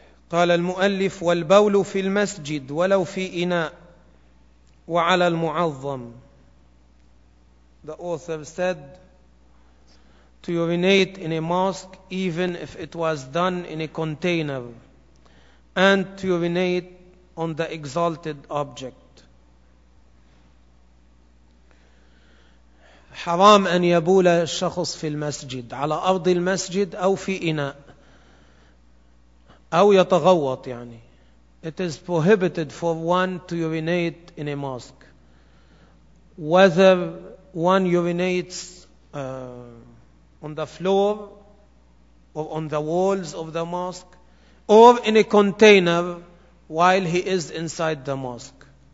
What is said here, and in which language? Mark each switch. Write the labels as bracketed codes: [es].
[ar] قال المؤلف والبول في المسجد ولو في إناء وعلى المعظم. [en] The author said to urinate in a mosque even if it was done in a container and to urinate on the exalted object. [ar] حرام أن يبول الشخص في المسجد على أرض المسجد أو في إناء أو يتغوط يعني. [en] It is prohibited for one to urinate in a mosque. Whether one urinates on the floor or on the walls of the mosque or in a container while he is inside the mosque.